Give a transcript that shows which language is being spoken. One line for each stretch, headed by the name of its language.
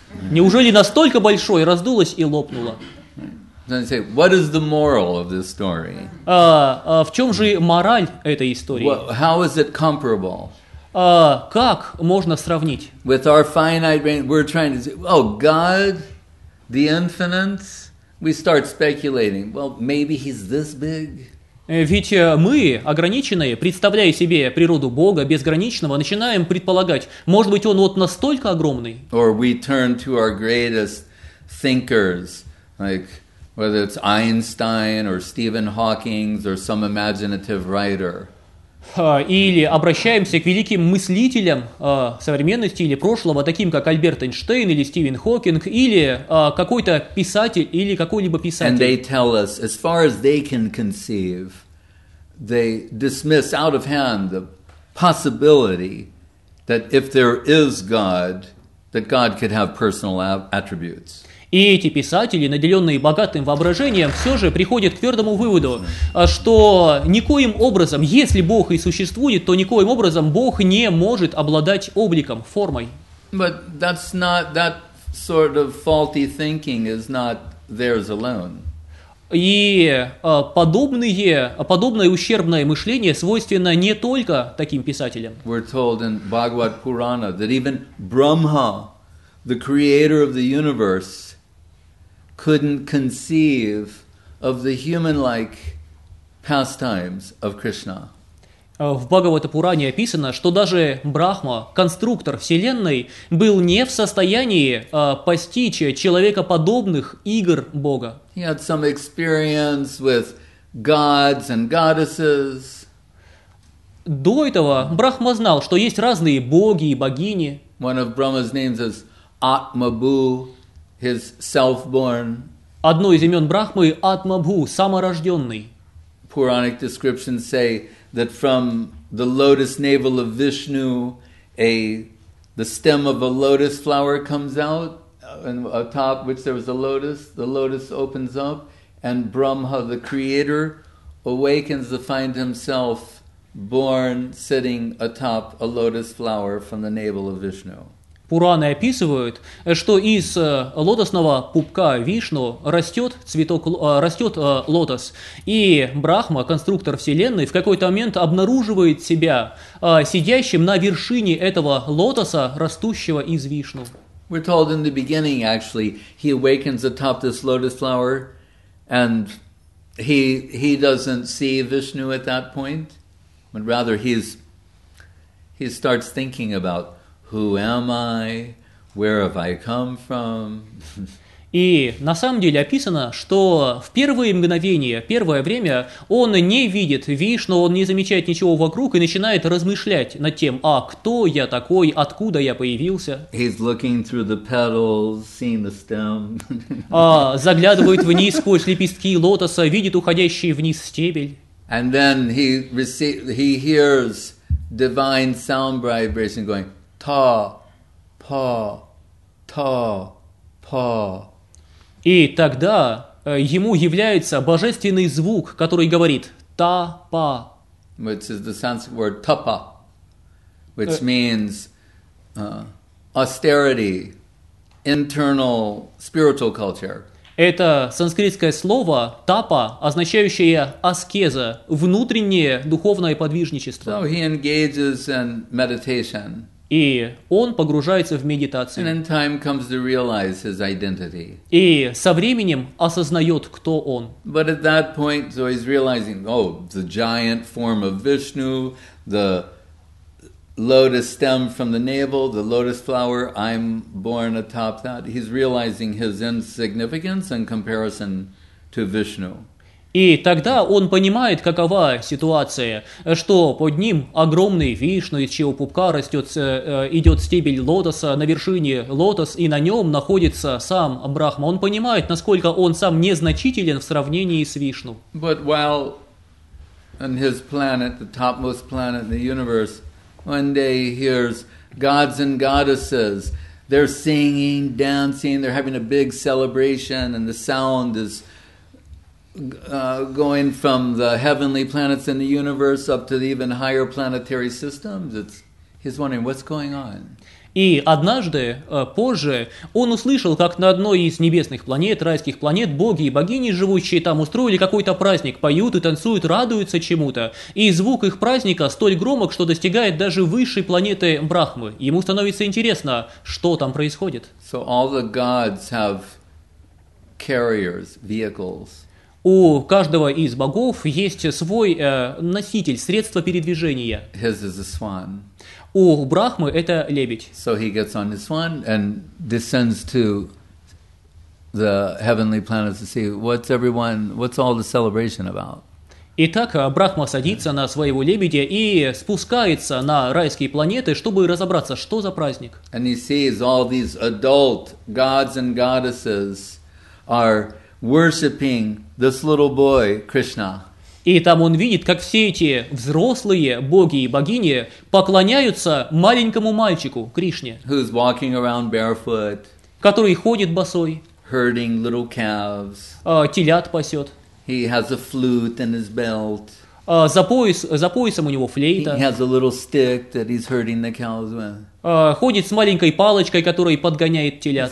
Russian: Неужели настолько большой, раздулось и лопнуло?
English: What is the moral of this story?
Russian: В чем же мораль этой истории?
English: How is it comparable?
Russian: Как можно сравнить?
English: With our finite brain, we're trying to say, oh, God, the infinite, we start speculating. Well, maybe he's this big.
Russian: Ведь мы, ограниченные, представляя себе природу Бога, безграничного, начинаем предполагать, может быть, он вот настолько огромный.
English: Or we turn to our greatest thinkers, like whether it's Einstein or Stephen Hawking or some imaginative writer.
Russian: Или обращаемся к великим мыслителям современности или прошлого, таким как Альберт Эйнштейн или Стивен Хокинг, или какой-то писатель или какой-либо писатель.
English: And they tell us, as far as they can conceive, they dismiss out of hand the possibility that if there is God, that God could have personal attributes.
Russian: И эти писатели, наделенные богатым воображением, все же приходят к твердому выводу, что никоим образом, если Бог и существует, то никоим образом Бог не может обладать обликом, формой.
English: But that's not, that sort of faulty thinking is not theirs alone.
Russian: И подобное ущербное мышление свойственно не только таким писателям.
English: We're told in Bhagavad Purana that even Brahma, the creator of the universe, couldn't conceive of the human-like pastimes of Krishna.
Russian: В Бхагавата Пуране описано, что даже Брахма, конструктор вселенной, был не в состоянии постичь человекоподобных игр Бога.
English: He had some experience with gods and goddesses.
Russian: До этого Брахма знал, что есть разные боги и богини.
English: One of Brahma's names is Atmabhu. His self-born.
Russian: Одно из имен Брахмы – Атмабху, саморожденный.
English: Puranic descriptions say that from the lotus navel of Vishnu, the stem of a lotus flower comes out, and atop which there was a lotus, the lotus opens up, and Brahma, the creator, awakens to find himself born sitting atop a lotus flower from the navel of Vishnu.
Russian: Пураны описывают, что из лотосного пупка Вишну растет цветок, растет лотос. И Брахма, конструктор Вселенной, в какой-то момент обнаруживает себя сидящим на вершине этого лотоса, растущего из Вишну.
English: We're told in the beginning, actually, he awakens atop this lotus flower, and he doesn't see Vishnu at that point, but rather he starts thinking about who am I, where have I come from.
Russian: И на самом деле описано, что в первые мгновения, первое время, он не видит Вишну, он не замечает ничего вокруг и начинает размышлять над тем, а кто я такой, откуда я появился.
English: He's looking through the petals, seeing the stem.
Russian: А заглядывает вниз сквозь лепестки лотоса, видит уходящий вниз стебель.
English: And then he hears divine sound vibration going ta, pa, ta, pa.
Russian: И тогда ему является божественный звук, который говорит «та-па».
English: Which is the Sanskrit word «тапа», which means austerity, internal spiritual culture.
Russian: Это санскритское слово «тапа», означающее аскеза, внутреннее духовное подвижничество.
English: So he engages in meditation.
Russian: И он погружается в медитацию.
English: And then time comes to realize his identity.
Russian: И со временем осознает, кто он.
English: But at that point, so he's realizing, oh, the giant form of Vishnu, the lotus stem from the navel, the lotus flower, I'm born atop that. He's realizing his insignificance in comparison to Vishnu.
Russian: И тогда он понимает, какова ситуация, что под ним огромный Вишну, из чьего пупка растет, идет стебель лотоса, на вершине лотос, и на нем находится сам Брахма. Он понимает, насколько он сам незначителен в сравнении с Вишну.
English: But while on his planet, the topmost planet in the universe, one day he hears gods and goddesses, they're singing, dancing, they're having a big celebration, and the sound is going from the heavenly planets in the universe up to the even higher planetary systems. He's wondering what's going on.
Russian: И однажды, позже, он услышал, как на одной из небесных планет, райских планет, боги и богини, живущие там, устроили какой-то праздник, поют и танцуют, радуются чему-то. И звук их праздника столь громок, что достигает даже высшей планеты Брахмы. Ему становится интересно, что там происходит.
English: So all the gods have carriers, vehicles.
Russian: У каждого из богов есть свой носитель, средство передвижения.
English: His is a swan.
Russian: У Брахмы это лебедь.
English: So he gets on his swan and descends to the heavenly planets to see what's everyone, what's all the celebration about.
Russian: Итак, Брахма садится на своего лебедя и спускается на райские планеты, чтобы разобраться, что за праздник.
English: And he sees all these adult gods and goddesses are worshipping this little boy, Krishna.
Russian: И там он видит, как все эти взрослые боги и богини поклоняются маленькому мальчику, Кришне.
English: Who's walking around barefoot.
Russian: Который ходит босой.
English: Herding little calves.
Russian: Телят пасет.
English: He has a flute in his belt.
Russian: За поясом у него флейта.
English: He has a little stick that he's herding the cows with.
Russian: Ходит с маленькой палочкой, которая подгоняет телят.